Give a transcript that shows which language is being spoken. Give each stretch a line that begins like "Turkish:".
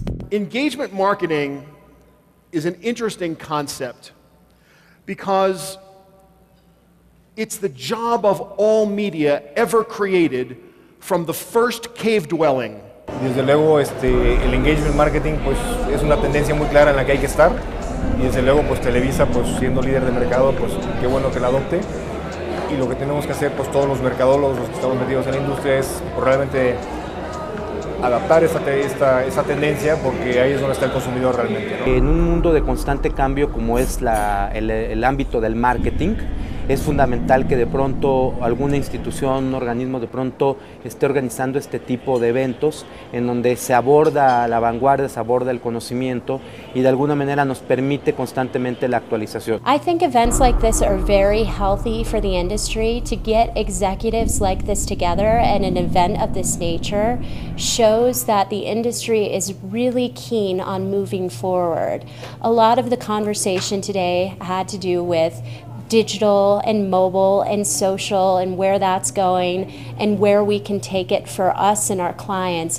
English: Engagement marketing is an interesting concept because it's the job of all media ever created from the first cave dwelling.
Spanish: Desde luego, el engagement marketing pues es una tendencia muy clara en la que hay que estar. Y desde luego, pues Televisa, pues siendo líder de mercado, pues qué bueno que la adopte. Y lo que tenemos que hacer, pues todos los mercadólogos, los que estamos metidos en la industria, es probablemente adaptar esa tendencia, porque ahí es donde está el consumidor realmente, ¿no? En un mundo de constante cambio como es el ámbito del marketing, es fundamental que de pronto alguna institución, un organismo de pronto esté organizando este tipo de eventos en donde se aborda la vanguardia, se aborda el conocimiento y de alguna manera nos permite constantemente la actualización.
English: I think events like this are very healthy for the industry. To get executives like this together and an event of this nature shows that the industry is really keen on moving forward. A lot of the conversation today had to do with digital and mobile and social and where that's going and where we can take it for us and our clients.